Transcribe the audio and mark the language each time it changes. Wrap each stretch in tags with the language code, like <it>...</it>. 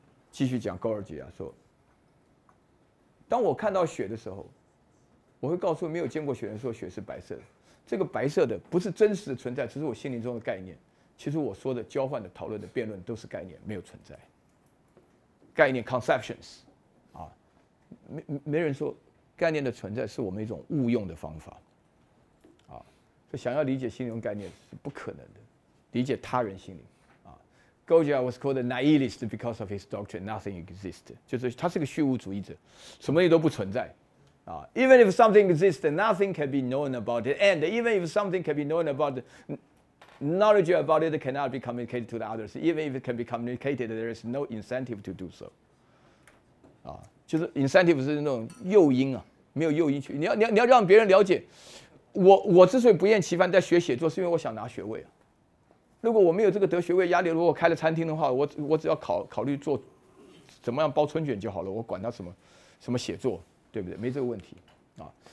<zh>继续讲高尔基啊，说当我看到雪的时候，我会告诉没有见过雪人说雪是白色的，这个白色的不是真实的存在，只是我心灵中的概念，其实我说的交换的讨论的辩论都是概念，没有存在概念 conceptions 啊，没人说概念的存在是我们一种误用的方法啊，所以想要理解心灵概念是不可能的，理解他人心灵啊。</zh> <en>Goja was called a nihilist because of his doctrine nothing exists，</en> <zh>就是他是个虚无主义者，什么也都不存在啊。</zh> <en>Even if something exists nothing can be known about it， and even if something can be known about itKnowledge about it cannot be communicated to the others. Even if it can be communicated, there is no incentive to do so.</en> <zh>啊，就是 incentive 是那种诱因啊，没有诱因去。你要让别人了解，我之所以不厌其烦在学写作，是因为我想拿学位啊。如果我没有这个得学位压力，如果开了餐厅的话，我只要考虑做怎么样包春卷就好了，我管他什么写作，对不对？没这个问题啊。</zh>